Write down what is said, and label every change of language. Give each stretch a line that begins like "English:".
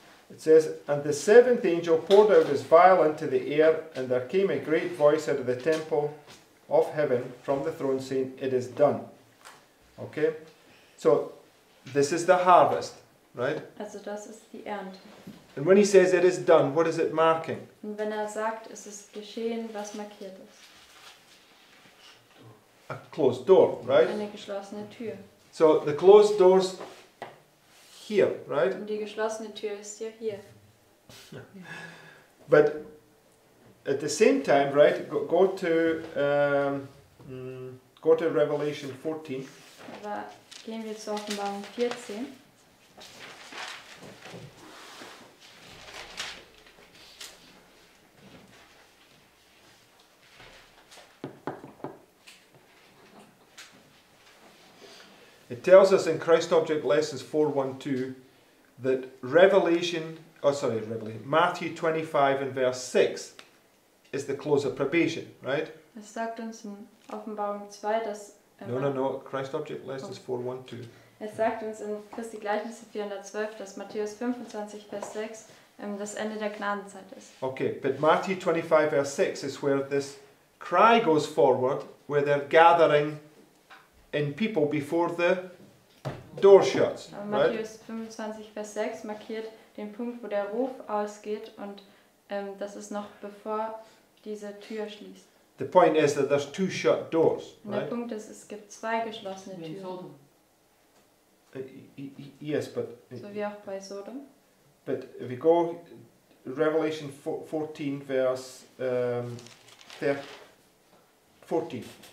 English: It says, and the seventh angel poured out his vial into the air, and there came a great voice out of the temple of heaven from the throne saying, it is done. Okay? So, this is the harvest, right?
German: Also das ist die Ernte.
English: And when he says it is done, what is it marking?
German: Und wenn sagt, es ist geschehen, was markiert es?
English: A closed door, right?
German: Eine geschlossene Tür.
English: So the closed door's here, right?
German: Und die geschlossene Tür ist ja hier.
English: But at the same time, right, go to Revelation 14.
German: Aber gehen wir zu Offenbarung 14.
English: It tells us in Christ Object Lessons 4:1-2 that Matthew 25 and verse 6 is the close of probation, right?
German: Es sagt uns in Offenbarung 2, dass
English: Christ Object Lessons 4:1-2.
German: Es sagt uns in Christi Gleichnisse 412, dass Matthäus 25 Vers 6 das Ende der Gnadenzeit ist.
English: Okay, but Matthew 25 verse 6 is where this cry goes forward, where they're gathering in people before the door shuts.
German: Aber Matthäus 25 Vers 6 markiert den Punkt, wo der Ruf ausgeht, und das ist noch bevor diese Tür schließt.
English: The point is that there's two shut doors,
German: und der
English: right?
German: Punkt ist, es gibt zwei geschlossene Türen. So wie auch bei Sodom.
English: But if we go Revelation 14 verse 14.